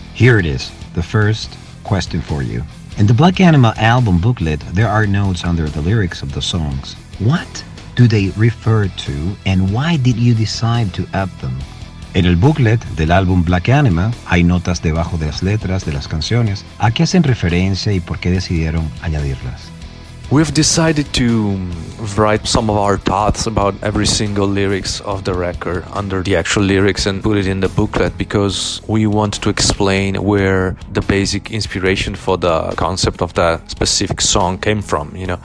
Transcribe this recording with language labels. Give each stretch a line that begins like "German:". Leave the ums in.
English: Here it is, the first question for you. In the Black Animal album booklet, there are notes under the lyrics of the songs. What do they refer to and why did you decide to add them?
Spanish: En el booklet del álbum Black Anima hay notas debajo de las letras de las canciones. ¿A qué hacen referencia y por qué decidieron añadirlas?
English: We've decided to mm, write some of our thoughts about every single lyrics of the record under the actual lyrics and put it in the booklet because we want to explain where the basic inspiration for the concept of that specific song came from, you know.